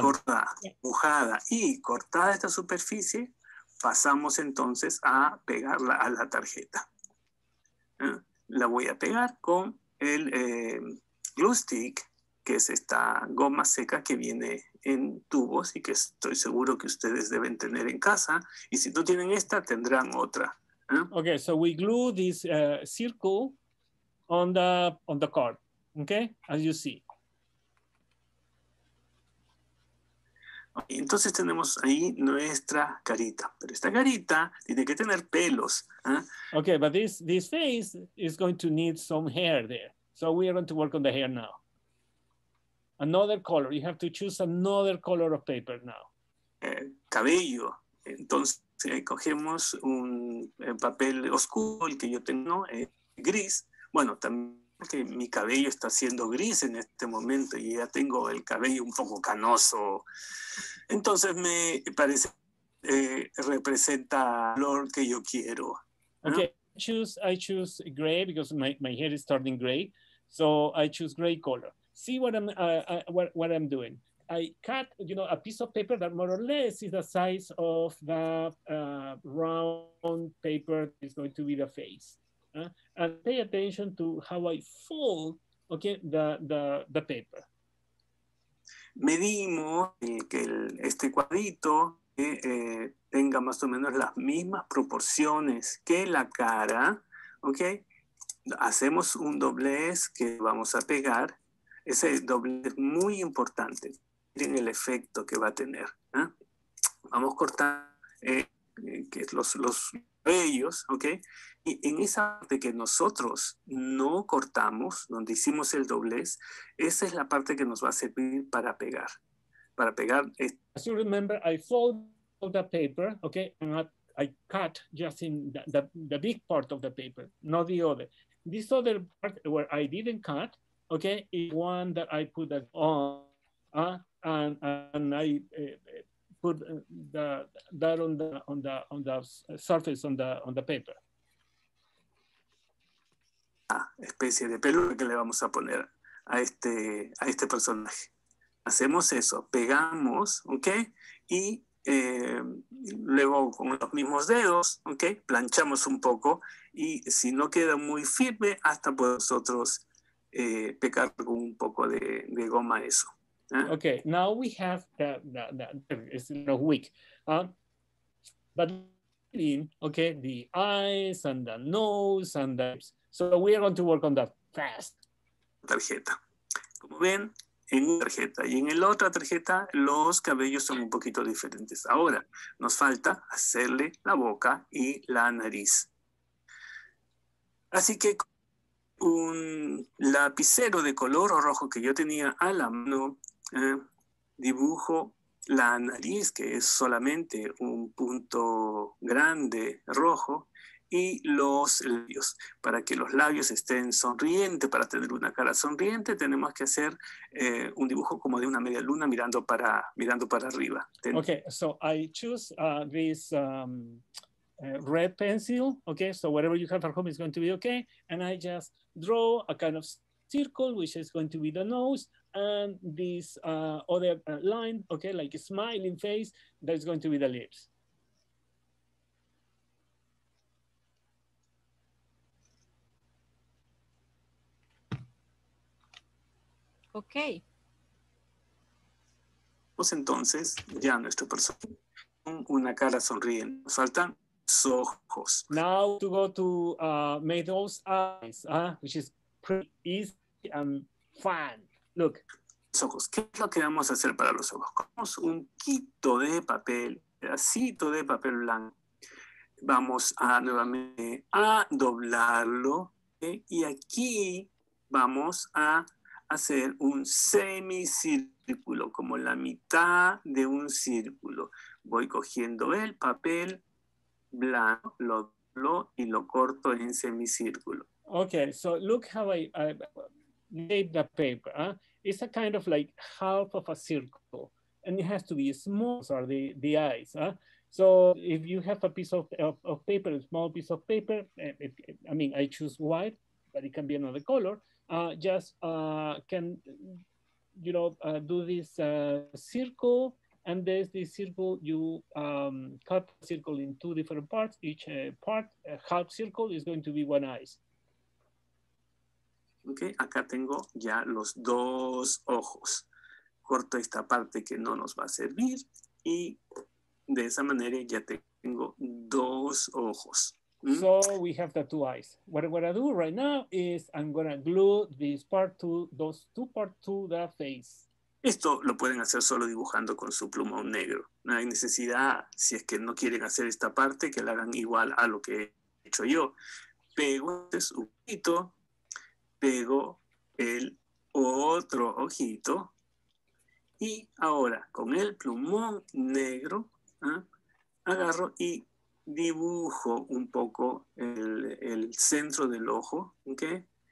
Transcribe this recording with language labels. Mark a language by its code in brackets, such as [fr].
[es] Corta, dibujada y cortada esta superficie, pasamos entonces a pegarla a la tarjeta. La voy a pegar con el glue stick, que es esta goma seca que viene en tubos y que estoy seguro que ustedes deben tener en casa. Y si no tienen esta, tendrán otra. [en] Okay, so we glue this circle on the card, okay? As you see. [es] Okay, entonces tenemos ahí nuestra carita, pero esta carita tiene que tener pelos. [en] Okay, but this face is going to need some hair there. So we are going to work on the hair now. Another color. You have to choose another color of paper now. [es] Cabello. Entonces, cogemos un papel oscuro, el que yo tengo, gris. Bueno, también que mi cabello está siendo gris en este momento y ya tengo el cabello un poco canoso. Entonces, me parece, representa el color que yo quiero. Okay, ¿no? [en] I choose gray because my hair is turning gray. So, I choose gray color. See what I'm doing. I cut, you know, a piece of paper that more or less is the size of the round paper that is going to be the face. And pay attention to how I fold, okay, the paper. [es] Medimos que este cuadrito tenga más o menos las mismas proporciones que la cara, okay? Hacemos un doblez que vamos a pegar. Ese doblez es muy importante en el efecto que va a tener. Vamos cortando, que los bellos, ¿ok? Y en esa parte que nosotros no cortamos, donde hicimos el doblez, esa es la parte que nos va a servir para pegar. Para pegar. [en] As you remember, I fold the paper, okay, and I cut just in the big part of the paper, not the other. This other part where I didn't cut, okay, is one that I put it on, and I put that on the surface on the paper. [es] Ah, especie de pelo que le vamos a poner a este personaje. Hacemos eso, pegamos, okay, y luego con los mismos dedos, okay, planchamos un poco, y si no queda muy firme, hasta podemos nosotros pegar con un poco de goma eso. ¿Eh? [en] Okay, now we have it's not weak, but in, okay, the eyes and the nose and the lips. So we are going to work on that fast. [es] Tarjeta. Como ven, en una tarjeta y en la otra tarjeta los cabellos son un poquito diferentes. Ahora nos falta hacerle la boca y la nariz. Así que un lapicero de color rojo que yo tenía a la mano, dibujo la nariz, que es solamente un punto grande rojo, y los labios. Para que los labios estén sonrientes, para tener una cara sonriente, tenemos que hacer un dibujo como de una media luna mirando para arriba. [en] Okay, so I choose this red pencil, okay, so whatever you have at home is going to be okay, and I just draw a kind of circle, which is going to be the nose, and this other line, okay, like a smiling face, that's going to be the lips. Okay. [es] Pues entonces, ya nuestro personaje con una cara sonriente. Nos faltan ojos. [en] Now to go to make those eyes, which is pretty easy and fun. Look. [es] Los ojos. ¿Qué es lo que vamos a hacer para los ojos? Cogemos un poquito de papel, pedacito de papel blanco. Vamos a nuevamente a doblarlo, ¿okay? Y aquí vamos a hacer un semicírculo, como la mitad de un círculo. Voy cogiendo el papel blanco, lo doblo y lo corto en semicírculo. [en] Okay, so look how I made the paper. It's a kind of like half of a circle, and it has to be small, so the eyes. So if you have a piece of paper, a small piece of paper, I choose white, but it can be another color. Circle, and there's this circle, you cut the circle in two different parts, each part, a half circle is going to be one eye. [es] Okay, acá tengo ya los dos ojos. Corto esta parte que no nos va a servir, y de esa manera ya tengo dos ojos. [en] So we have the two eyes. What I'm gonna do right now is I'm gonna glue this part to those two parts to the face. [es] Esto lo pueden hacer solo dibujando con su plumón negro. No hay necesidad, si es que no quieren hacer esta parte, que la hagan igual a lo que he hecho yo. Pego entonces un poquito, pego el otro ojito, y ahora con el plumón negro agarro y dibujo un poco el centro del ojo, ¿okay?